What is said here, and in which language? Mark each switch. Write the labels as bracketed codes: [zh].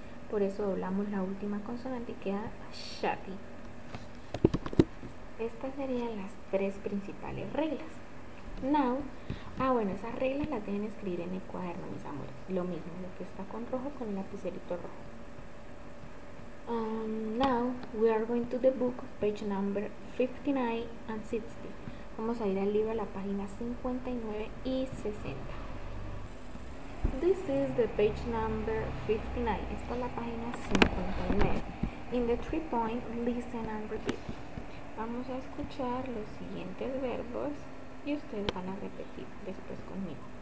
[es] Por eso doblamos la última consonante y queda shotty. Estas serían las tres principales reglas. Now, esas reglas las deben escribir en el cuaderno, mis amores. Lo mismo, lo que está con rojo, con el lapicerito rojo. [en] Now, we are going to the book, page number 59 and 60. [es] Vamos a ir al libro a la página 59 y 60. [en] This is the page number 59. [es] Esta es la página 59. [en] In the 3-point, listen and repeat. [es] Vamos a escuchar los siguientes verbos y ustedes van a repetir después conmigo.